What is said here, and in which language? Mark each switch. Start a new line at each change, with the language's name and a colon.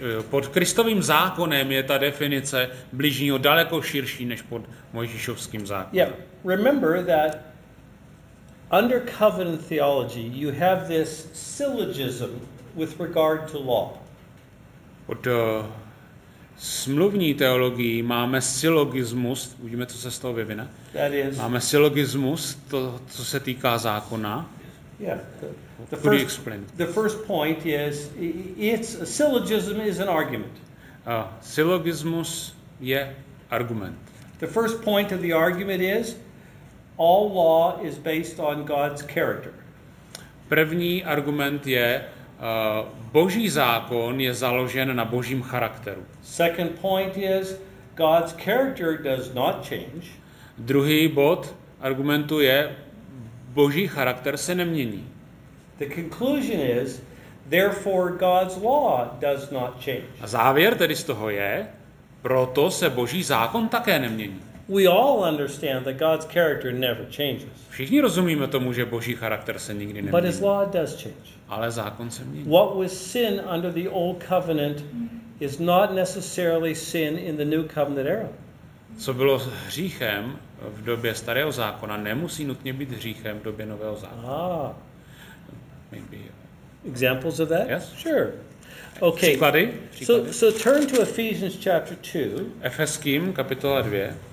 Czech: Pod Kristovým zákonem je ta definice bližního daleko širší než pod Mojžíšovským zákonem.
English: Yeah. Remember that. Under covenant theology, you have this syllogism with regard to law.
Czech: Pod smluvní teologii máme syllogismus, uvidíme, co se z toho vyvine.
English: That is.
Czech: Máme syllogismus, to, co se týká zákona.
English: Yeah. Could you explain? The first point is, it's a syllogism is an argument.
Czech: Syllogismus je argument.
English: The first point of the argument is, all law is based on God's character.
Czech: První argument je, Boží zákon je založen na Božím charakteru.
English: Second point is, God's character does not change.
Czech: Druhý bod argumentu je, Boží charakter se nemění.
English: The conclusion is, therefore God's law does not change.
Czech: A závěr tedy z toho je, proto se Boží zákon také nemění.
English: We all understand that God's character never changes.
Czech: Všichni rozumíme tomu, že Boží charakter se nikdy nemění.
English: But his law does change.
Czech: Ale zákon se mění.
English: What was sin under the old covenant is not necessarily sin in the new covenant era.
Czech: Co bylo hříchem v době starého zákona, nemusí nutně být hříchem v době nového zákona. Ah.
English: Maybe. Examples of that? Yes. Sure. Okay.
Czech: Příklady?
English: So turn to Ephesians chapter 2.
Czech: Efeským kapitola 2.